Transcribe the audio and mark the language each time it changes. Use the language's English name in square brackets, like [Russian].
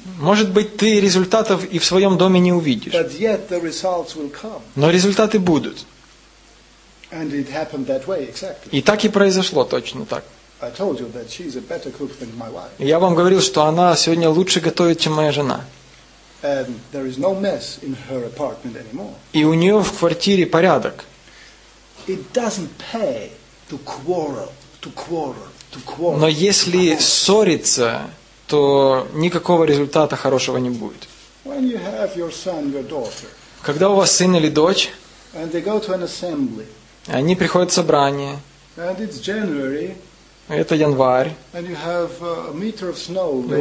[Russian] Может быть, ты результатов и в своем доме не увидишь. [English] But yet the results will come. [Russian] Но результаты будут. [English] And it happened that way, exactly. [Russian] И так и произошло, точно так. [English] I told you that she's a better cook than my wife. [Russian] Я вам говорил, что она сегодня лучше готовит, чем моя жена. [English] And there is no mess in her apartment anymore. [Russian] И у неё в квартире порядок. [English] It doesn't pay to quarrel, to quarrel, to quarrel. [Russian] Но если ссориться, то никакого результата хорошего не будет. [English] When you have your son, your daughter, [Russian] когда у вас сын или дочь, [English] and they go to an assembly, [Russian] они приходят в собрание, [English] and it's January, [Russian] это январь, [English] and you have a meter of snow laying